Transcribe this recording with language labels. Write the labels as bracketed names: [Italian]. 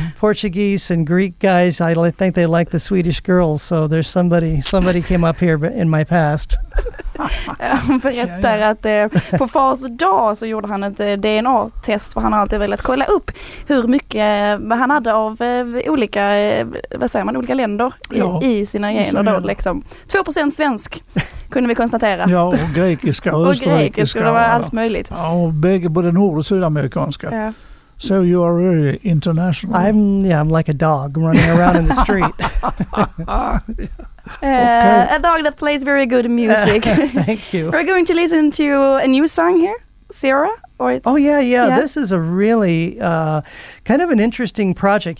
[English] Portuguese and Greek guys, I think they like the Swedish girls. So there's somebody came up here in my past. [Swedish] Berättar att på fars dag så gjorde han ett DNA-test, för han har alltid velat kolla upp hur mycket han hade av olika, vad säger man, olika länder i sina gener då, liksom. 2% svensk kunde vi konstatera. Ja, och grekiska och österrikiska. Och det var allt möjligt. Ja, och bägge, både nord- och sydamerikanska. Ja. [English] So you are really international. I'm like a dog running around in the street. Okay. A dog that plays very good music. Thank you. We're going to listen to a new song here, Sierra. Yeah. This is a really kind of an interesting project.